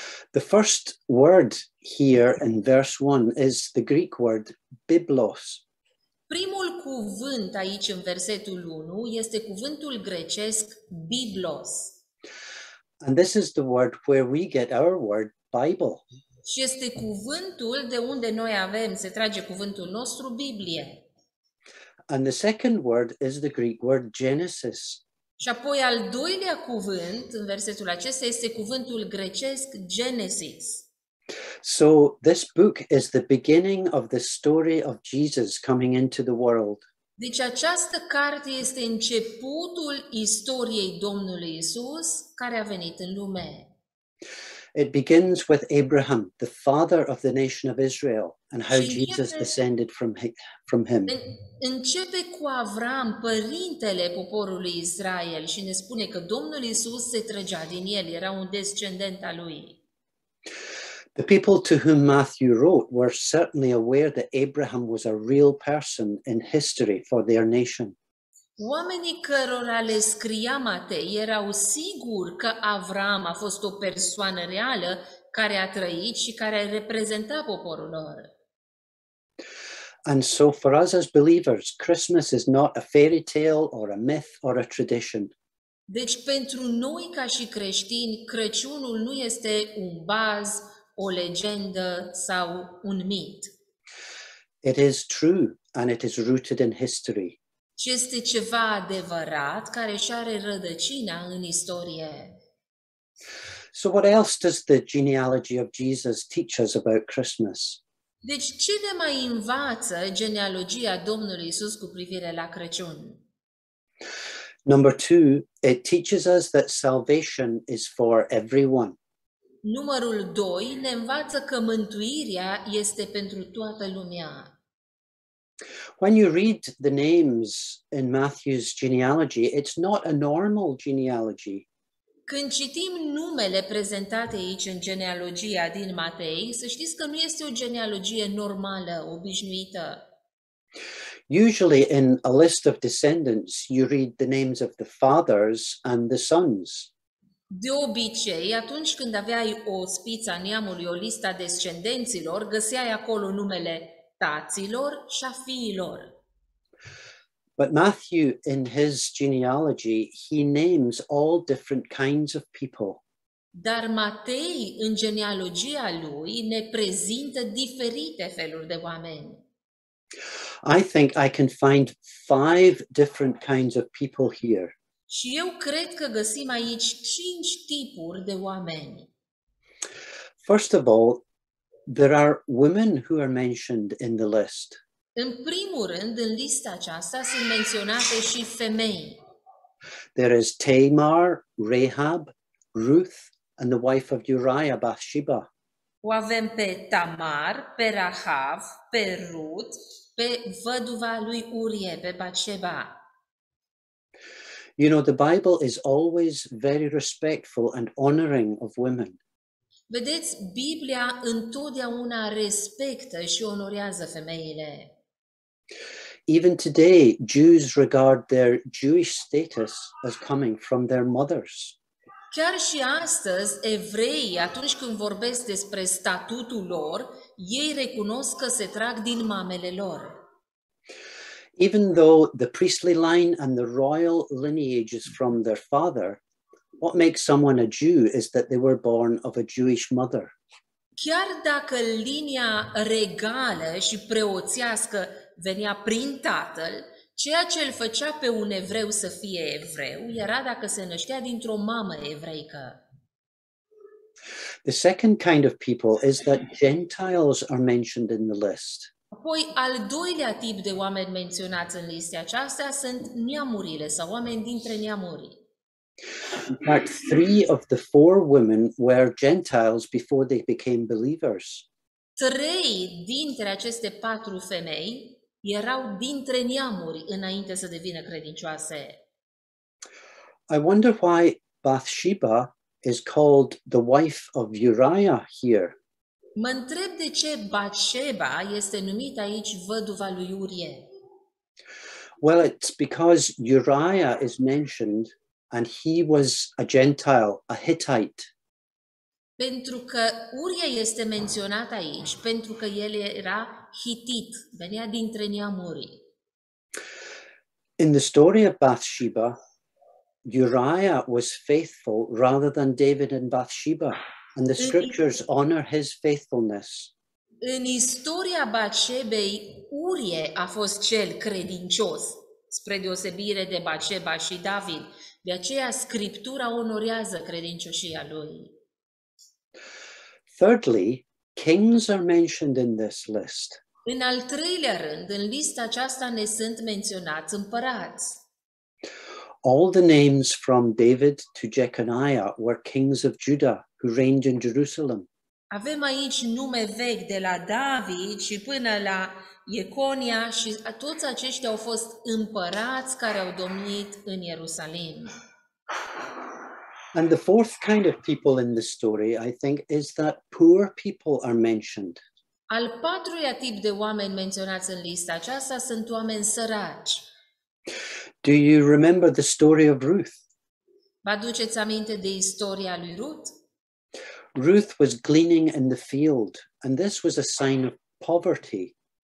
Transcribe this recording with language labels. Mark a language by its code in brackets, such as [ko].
[en] The first word here in verse 1 is the Greek word biblos. [ro] Primul cuvânt aici în versetul 1 este cuvântul grecesc biblos. [en] And this is the word where we get our word Bible. [ro] Și este cuvântul de unde noi avem, se trage cuvântul nostru Biblie. [en] And the second word is the Greek word Genesis. [ro] Și apoi al doilea cuvânt în versetul acesta este cuvântul grecesc Genesis. [en] So this book is the beginning of the story of Jesus coming into the world. [ro] Deci această carte este începutul istoriei Domnului Isus care a venit în lume. [en] It begins with Abraham, the father of the nation of Israel, and how Jesus descended from him. [ro] Începe cu Avram, părintele poporului Israel, și ne spune că Domnul Isus se trăgea din el, era un descendent al lui. [en] The people to whom Matthew wrote were certainly aware that Abraham was a real person in history for their nation. [ro] Oamenii cărora le scria Matei erau siguri că Avraam a fost o persoană reală care a trăit și care a reprezentat poporul lor. [en] And so for us as believers, Christmas is not a fairy tale or a myth or a tradition. [ro] Deci pentru noi ca și creștini, Crăciunul nu este un baz, o legendă sau un mit. [en] It is true and it is rooted in history. [ro] Și este ceva adevărat care și are rădăcina în istorie. [en] So what else does the genealogy of Jesus teach us about Christmas? [ro] Deci ce ne mai învață genealogia Domnului Iisus cu privire la Crăciun? [en] Number two, it teaches us that salvation is for everyone. [ro] Numărul 2 ne învață că mântuirea este pentru toată lumea. [en] When you read the names in Matthew's genealogy, it's not a normal genealogy. [ro] Când citim numele prezentate aici în genealogia din Matei, să știți că nu este o genealogie normală, obișnuită. [en] Usually in a list of descendants, you read the names of the fathers and the sons. [ro] De obicei, atunci când aveai o spiță a neamului, o listă a descendenților, găseai acolo numele taților și a fiilor. [en] But Matthew, in his genealogy, he names all different kinds of people. [ro] Dar Matei, în genealogia lui, ne prezintă diferite feluri de oameni. [en] I think I can find 5 different kinds of people here. [ro] Și eu cred că găsim aici 5 tipuri de oameni. [en] First of all, there are women who are mentioned in the list. [ro] În primul rând, în lista aceasta sunt menționate și femei. [en] There is Tamar, Rahab, Ruth, and the wife of Uriah, Bathsheba. [ro] O avem pe Tamar, pe Rahab, pe Ruth, pe văduva lui Urie, pe Bathsheba. [en] You know, the Bible is always very respectful and honoring of women. [ro] Vedeți, Biblia întotdeauna respectă și onorează femeile. [en] Even today, Jews regard their Jewish status as coming from their mothers. [ro] Chiar și astăzi, evreii, atunci când vorbesc despre statutul lor, ei recunosc că se trag din mamele lor. [en] Even though the priestly line and the royal lineage is from their father, what makes someone a Jew is that they were born of a Jewish mother. [ro] Chiar dacă linia regală și preoțească venea prin tatăl, ceea ce îl făcea pe un evreu să fie evreu era dacă se năștea dintr-o mamă evreică. [en] The second kind of people is that Gentiles are mentioned in the list. [ro] Apoi, al doilea tip de oameni menționați în lista aceasta sunt neamurile sau oameni dintre neamuri. [en] In fact, 3 of the 4 women were Gentiles before they became believers. [ro] 3 dintre aceste 4 femei erau dintre neamuri înainte să devină credincioase. [en] I wonder why Bathsheba is called the wife of Uriah here. [ro] Mă întreb de ce Bathsheba este numită aici văduva lui Urie. [en] Well, it's because Uriah is mentioned and he was a Gentile, a Hittite. [ro] Pentru că Urie este menționat aici, pentru că el era hitit, venea dintre neamuri. [en] In the story of Bathsheba, Uriah was faithful rather than David and Bathsheba, and the scriptures honor his faithfulness. [ro] În istoria Bathshebei, Urie a fost cel credincios, spre deosebire de Bathsheba și David. De aceea scriptura onorează credincioșia lui. [en] Thirdly, kings are mentioned in this list. [ro] În al treilea rând, în lista aceasta ne sunt menționați împărați. [en] All the names from David to Jeconiah were kings of Judah who reigned in Jerusalem. [ro] Avem aici nume vechi de la David și până la Iconia și toți aceștia au fost împărați care au domnit în Ierusalim. [en] And the fourth kind of people in the story, I think, is that poor people are mentioned. [ro] Al patruia tip de oameni menționați în lista aceasta sunt oameni săraci. [en] Do you remember the story of Ruth? [ro] Vă aduceți aminte de istoria lui Ruth? [en] Ruth was gleaning in the field, and this was a sign of poverty.